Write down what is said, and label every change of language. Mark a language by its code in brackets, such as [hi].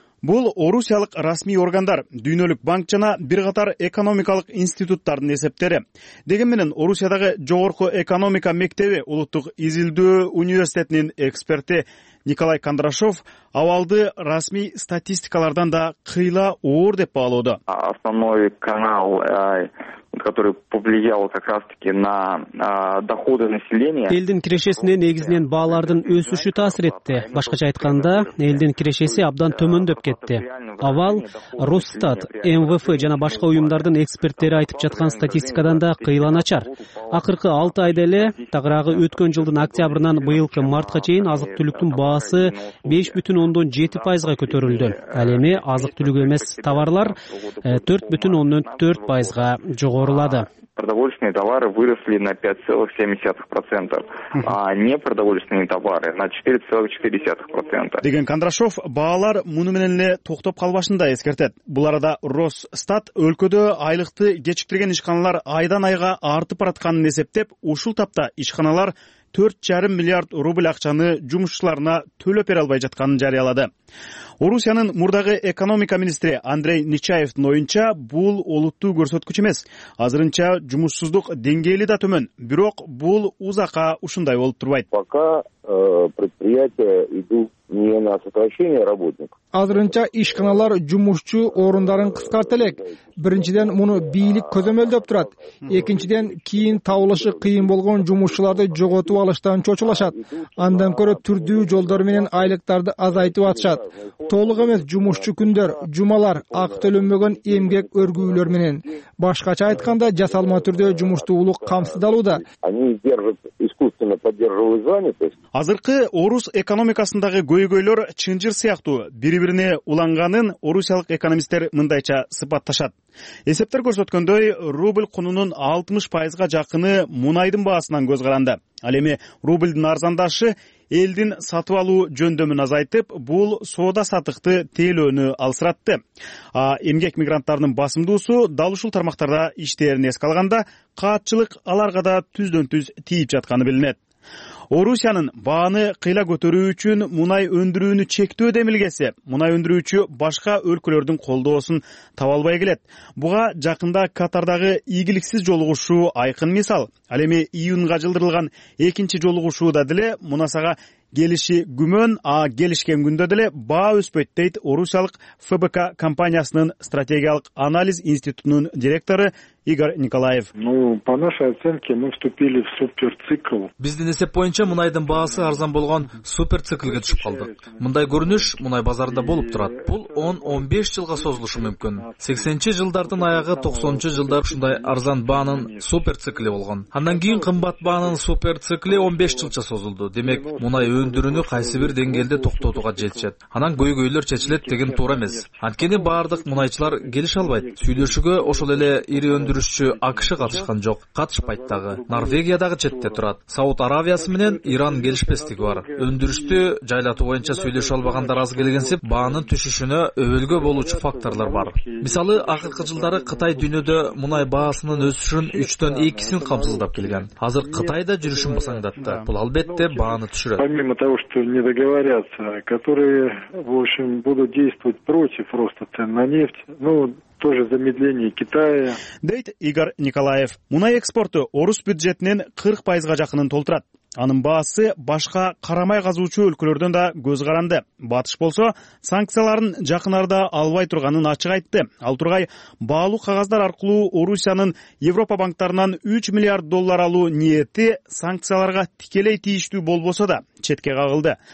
[ky] Бул орусиялык расмий органдар, дүйнөлүк банк жана бир катар экономикалык институттардын эсептери. Деген менен Орусиядагы жогорку экономика мектеби улуттук изилдөө университетинин эксперти Николай Кондрашов абалды расмий статистикалардан да кыйла оор деп баалоодо. [ru] Основной канал, который повлиял как раз-таки на доходы населения. [ky] Элдин кирешесине негизинен баалардын өсүшү таасир этти. Башкача айтканда, элдин кирешеси абдан төмөндөп кетти. Авал Росстат, МВФ жана башка уюмдардын эксперттери айтып жаткан статистикадан да кыйла начар. Акыркы 6 айда эле, тагыраагы өткөн жылдын октябрынан быйылкы мартка чейин азык-түлүктүн баасы 5.7% көтөрүлдү. Ал эми азык-түлүк эмес товарлар 4.4% жогорулады. [ru] Продовольственные товары выросли на 5.7%, а непродовольственные товары на 4.4%. [ky] Деген Кондрашов баалар муну менен эле токтоп калбашын да эскертет. Бул арада Росстат өлкөдө айлыкты кечиктирген ишканалар айдан айга артып баратканын эсептеп, ушул тапта ишканалар 4,5 миллиард рубль акчаны жумушчуларына төлөп бере албай жатканын жарыялады. Орусиянын мурдагы экономика министри Андрей Нечаевдин оюнча, бул олуттуу көрсөткүч эмес. Азырынча жумушсуздук деңгээли да төмөн, бирок бул узакка ушундай болуп турбайт. [ru] Пока предприятия идут не на сокращение работников. [ky] Азырынча ишканалар жумушчу орундарын кыскарта элек. Биринчиден муну бийлик көзөмөлдөп турат. Экинчиден кийин табылышы кыйын болгон жумушчуларды жоготуп алыштан чочулашат. Андан көрө түрдүү жолдор менен айлыктарды азайтып атышат. Толук эмес жумушчу күндөр, жумалар, акы төлөнбөгөн эмгек өргүүлөр менен. Башкача айтканда, жасалма түрдө жумушчу улук камсыздалууда. [ru] Они держат искусственно государственно поддерживают занятость. [ky] Азыркы орус экономикасындагы көйгөйлөр чынжыр сыяктуу бири-бирине уланганын орусиялык экономисттер мындайча сыпатташат. Эсептер көрсөткөндөй, рубль кунунун 60% жакыны мунайдын баасынан көз каранды. Ал эми рубльдин арзандашы элдин сатып алуу жөндөмүн азайтып, бул соода сатыкты тейлөөнү алсыратты. А эмгек мигранттарынын басымдуусу дал ушул тармактарда иштерин эске алганда, каатчылык аларга да түздөн-түз тийип жатканы билинет. Орусиянын бааны кыйла көтөрүү үчүн мунай өндүрүүнү чектөө демилгеси мунай өндүрүүчү башка өлкөлөрдүн колдоосун таба албай келет. Буга жакында Катардагы ийгиликсиз жолугушуу айкын мисал. Ал эми июнга жылдырылган экинчи жолугушууда деле мунасага келиши күмөн, а келишкен күндө деле баа өспөйт, дейт орусиялык ФБК компаниясынын стратегиялык анализ институтунун директору Игорь Николаев. [ru] Ну, по нашей оценке мы вступили в суперцикл. [ky] Биздин эсеп боюнча мунайдын баасы арзан болгон суперциклге түшүп калды. Мындай көрүнүш мунай базарында болуп турат. Бул 10-15 жылга созулушу мүмкүн. 80-чи жылдардын аягы 90-чу жылдар ушундай арзан баанын суперцикли болгон. Андан кийин кымбат баанын суперцикли 15 жылча созулду. Демек, мунай өндүрүүнү кайсы бир деңгээлде токтотууга жетишет. Анан көйгөйлөр чечилет деген туура эмес. Анткени баардык мунайчылар келише албайт. Сүйлөшүүгө ошол эле ири өндүрүшчү АКШ катышкан жок, катышпайт дагы. Норвегия дагы четте турат. Сауд Аравиясы менен Иран келишпестиги бар. Өндүрүштү жайлатуу боюнча сүйлөшө албагандар аз келгенсип, баанын түшүшүнө өбөлгө болуучу факторлор бар. Мисалы, акыркы жылдары Кытай дүйнөдө мунай баасынын өсүшүн 3-2% камсыздап келген. Азыр Кытай да жүрүшүн басаңдатты. Бул албетте бааны түшүрөт. [ru] Помимо того, что не договорятся, которые, в общем, будут действовать против роста цен на нефть, ну, тоже замедление Китая. [ky] Дейт Игорь Николаев. Мунай экспорту орус бюджетинин 40% жакынын толтурат. Анын баасы башка карамай казуучу өлкөлөрдөн да көз каранды. Батыш болсо, санкцияларын жакын арада албай турганын ачык айтты. Ал тургай баалуу кагаздар аркылуу Орусиянын Европа банктарынан 3 миллиард доллар алуу ниети санкцияларга тикелей тийиштүү болбосо да четке кагылды.